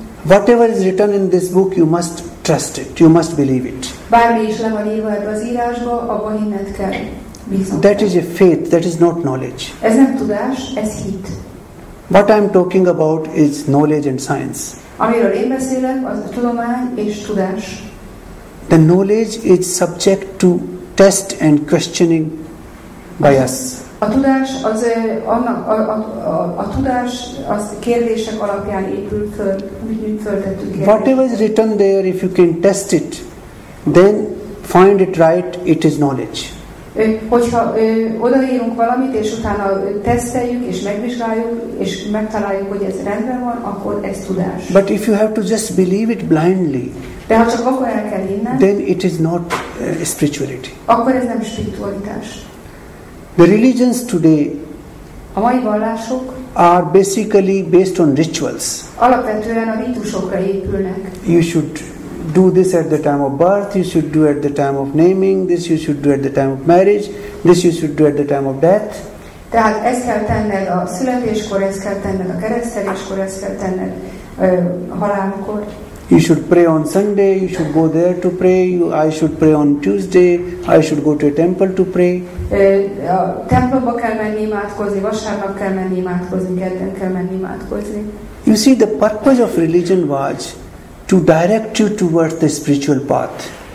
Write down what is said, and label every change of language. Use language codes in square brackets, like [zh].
[en] Whatever is written in this book, you must trust it, you must believe it. [hu] Bármi is le van írva ebbe az írásba, abban hinned kell. [en] That is a faith, that is not knowledge. [hu] Ez nem tudás, ez hit. [en] What I'm talking about is knowledge and science. [hu] Amiről én beszélek, az a tudomány és tudás. [en] The knowledge is subject to test and questioning by us. [hu] A tudás az annak a tudás az kérdések alapján épül föl, úgy föltettük kérdés. [en] Whatever is written there, if you can test it, then find it right, it is knowledge. [hu] Hogyha odaírunk valamit és utána teszteljük és megvizsgáljuk és megtaláljuk, hogy ez rendben van, akkor ez tudás. [en] But if you have to just believe it blindly, [hu] de ha csak akkor el kell hinnem, [en] then it is not spirituality. [hu] Akkor ez nem spiritualitás. [en] The religions today [hu] a mai vallások [en] are basically based on rituals. [hu] Alapvetően a rítusokra épülnek. [en] You should do this at the time of birth, you should do at the time of naming, this you should do at the time of marriage, this you should do at the time of death. [hu] Tehát ezt kell tenned a születéskor, ezt kell tenned a kereszteléskor, ezt kell tenned a halálkor. [en] You should pray on Sunday, you should go there to pray, I should pray on Tuesday, I should go to a temple to pray. [hu] A templomba kell menni imádkozni, vasárnap kell menni imádkozni, kedden kell menni imádkozni. [en] You see, the purpose of religion was to direct you towards the spiritual path.